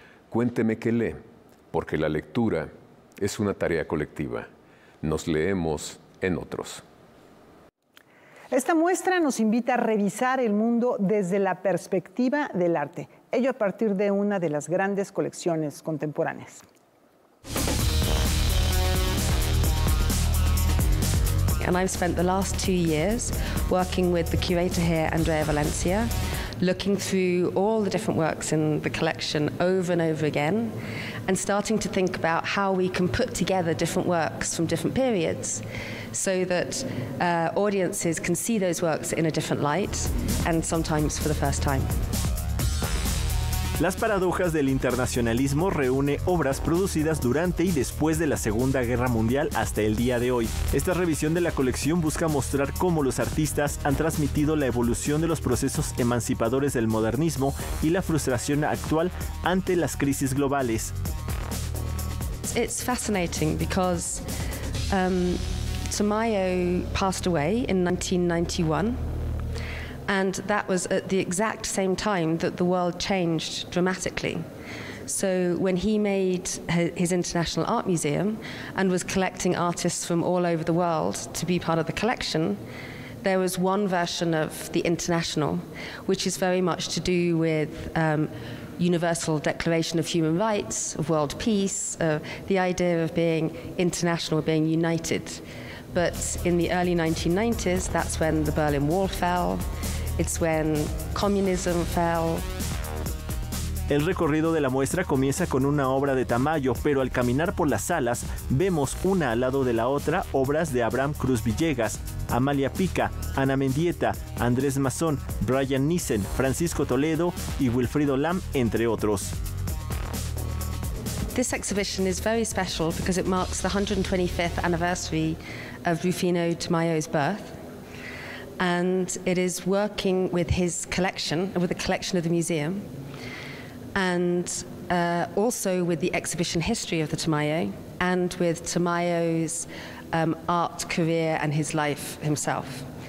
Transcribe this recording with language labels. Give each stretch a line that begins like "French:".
Spanish: Cuénteme qué lee, porque la lectura es una tarea colectiva. Nos leemos en otros. Esta muestra nos invita a revisar el mundo desde la perspectiva del arte, ello a partir de una de las grandes colecciones contemporáneas.
English: And I've spent the last 2 years working with the curator here, Andrea Valencia, looking through all the different works in the collection over and over again, and starting to think about how we can put together different works from different periods so that audiences can see those works in a different light, and sometimes for the first time.
Spanish: Las paradojas del internacionalismo reúne obras producidas durante y después de la Segunda Guerra Mundial hasta el día de hoy. Esta revisión de la colección busca mostrar cómo los artistas han transmitido la evolución de los procesos emancipadores del modernismo y la frustración actual ante las crisis globales.
English: It's fascinating because Tamayo passed away in 1991. And that was at the exact same time that the world changed dramatically. So when he made his International Art Museum and was collecting artists from all over the world to be part of the collection, there was one version of the International, which is very much to do with Universal Declaration of Human Rights, of world peace, the idea of being international, being united. But in the early 1990s, that's when the Berlin Wall fell. It's when communism fell.
Spanish: El recorrido de la muestra comienza con una obra de Tamayo, pero al caminar por las salas, vemos una al lado de la otra obras de Abraham Cruz Villegas, Amalia Pica, Ana Mendieta, Andrés Mazón, Brian Nissen, Francisco Toledo y Wilfrido Lam, entre otros.
English: This exhibition is very special because it marks the 125th anniversary of Rufino Tamayo's birth. And it is working with his collection, with the collection of the museum, and also with the exhibition history of the Tamayo and with Tamayo's art career and his life himself.